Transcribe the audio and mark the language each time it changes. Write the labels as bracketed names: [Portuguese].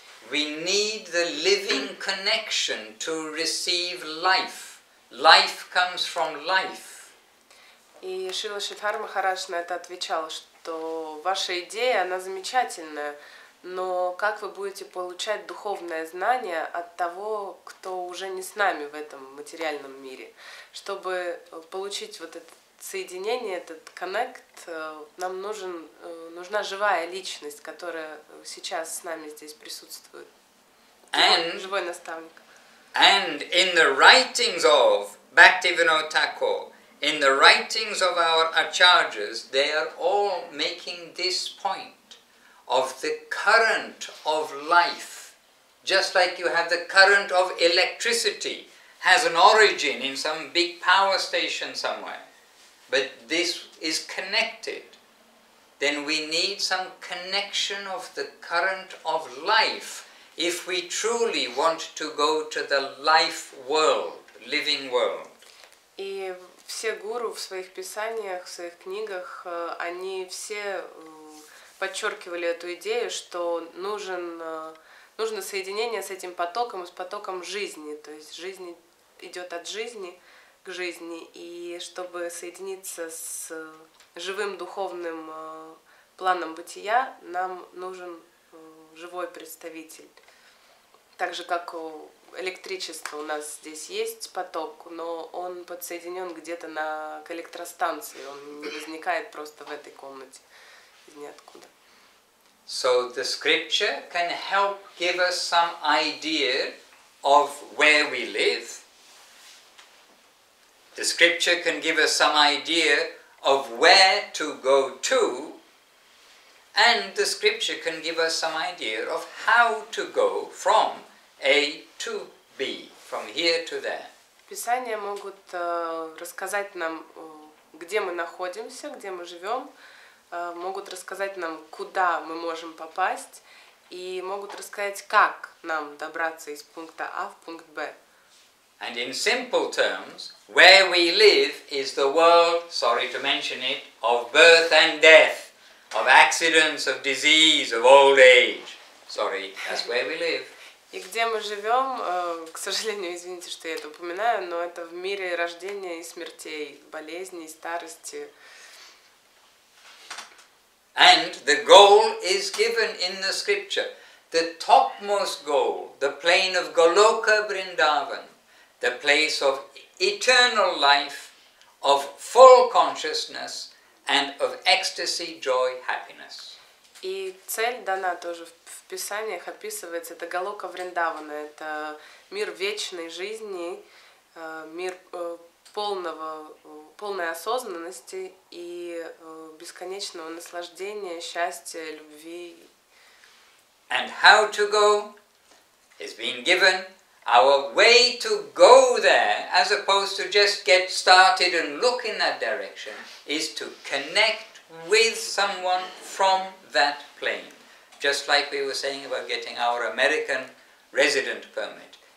[English] We need the living connection to receive life. Life comes from life. [Russian] И Шрила Шридхар Махарадж на это отвечал, что ваша идея, она замечательная, но как вы будете получать духовное знание от того, кто уже не с нами в этом материальном мире? Чтобы получить вот это соединение, этот коннект, нам нужна живая личность, которая сейчас с нами здесь присутствует. Живой наставник. [English] And in the writings of Bhaktivinoda Thakur, in the writings of our acharyas, they are all making this point of the current of life just like you have the current of electricity has an origin in some big power station somewhere, but this is connected, then we need some connection of the current of life if we truly want to go to the life world, living world. [Russian] И все гуру в своих писаниях, в своих книгах, они все подчеркивали эту идею, что нужно соединение с этим потоком, с потоком жизни, то есть жизнь идет от жизни к жизни, и чтобы соединиться с живым духовным планом бытия, нам нужен живой представитель. Так же, как у электричества, у нас здесь есть поток, но он подсоединен где-то к электростанции, он не возникает просто в этой комнате из ниоткуда. [English] So the scripture can help give us some idea of where we live. The scripture can give us some idea of where to go to. And the scripture can give us some idea of how to go from A to B, from here to there. [Russian] Писания могут рассказать нам, где мы находимся, где мы живем, могут рассказать нам, куда мы можем попасть, и могут рассказать, как нам добраться из пункта А в пункт Б. [English] And in simple terms, where we live is the world, sorry to mention it, of birth and death, of accidents, of disease, of old age. Sorry, that's where we live. [Russian] И где мы живем, к сожалению, извините, что я это упоминаю, но это в мире рождения и смертей, болезней, старости. [English] And the goal is given in the scripture. The topmost goal, the plane of Goloka Vrindavan, the place of eternal life, of full consciousness, and of ecstasy, joy, happiness. [Russian] И цель дана тоже в писаниях, описывается, это Галока Вриндавана, это мир вечной жизни, мир полной осознанности и бесконечного наслаждения, счастья, любви. [English] And how to go is being given. Our way to go there, as opposed to just get started and look in that direction, is to connect with someone from that plane. Just like we were saying about getting our American resident permit.